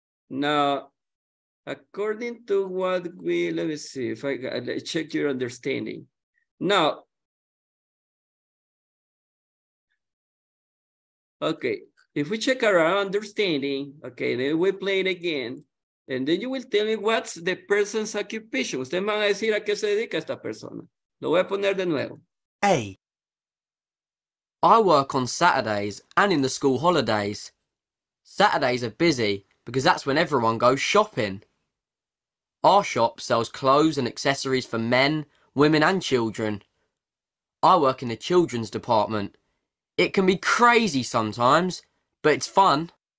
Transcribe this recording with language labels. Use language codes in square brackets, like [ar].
[en] Now, according to what we, let me see, if I check your understanding. Now, okay, if we check our understanding, okay, then we play it again. And then you will tell me what's the person's occupation. [es] Ustedes van a decir a qué se dedica esta persona. Lo voy a poner de nuevo. [en] A. I work on Saturdays and in the school holidays. Saturdays are busy because that's when everyone goes shopping. Our shop sells clothes and accessories for men, women and children. I work in the children's department. It can be crazy sometimes, but it's fun.